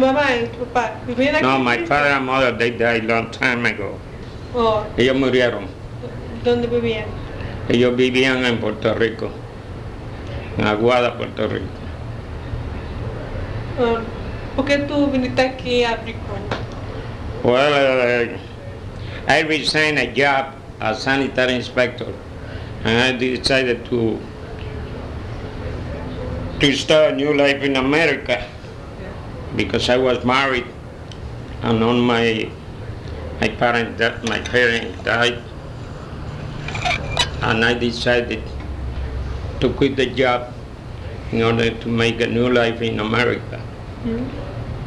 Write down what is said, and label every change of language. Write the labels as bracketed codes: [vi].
[en] my father and mother, they died a long time ago. Oh. [es] Ellos murieron. ¿Dónde vivían? Ellos vivían en Puerto Rico, en Aguada, Puerto Rico. ¿Por qué tú viniste aquí a Brickman? [en] Well, I resigned a job as sanitary inspector, and I decided to start a new life in America, because I was married, and on my parents died, and I decided to quit the job in order to make a new life in America. Mm-hmm.